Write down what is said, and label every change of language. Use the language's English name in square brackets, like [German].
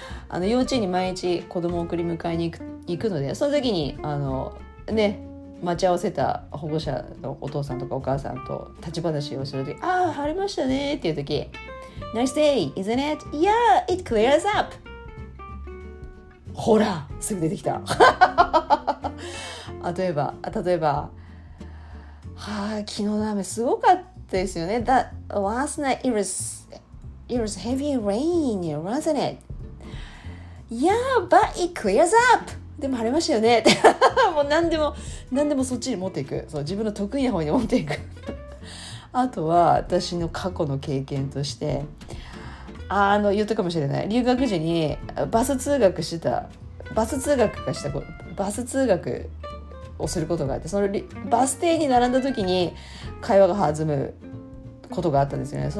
[Japanese] あの幼稚園に毎日子供を送り迎えに行くので、その時にあの、ね、待ち合わせた保護者のお父さんとかお母さんと立ち話をする時、ああ晴れましたねっていう時、 [English] Nice day isn't it? Yeah it clears up。 [Japanese] ほらすぐ出てきた。例えば、はあ、昨日の雨すごかったですよね。 [English] That last night it was heavy rain, wasn't it? Yeah, but it clears up. [Japanese] でも晴れましたよね。もう何でもそっちに持っていく。そう、自分の得意な方に持っていく。あとは私の過去の経験として、あの言ったかもしれない、留学時にバス通学をすることがあって、そのバス停に並んだ時に会話が弾むことがあったんですよね。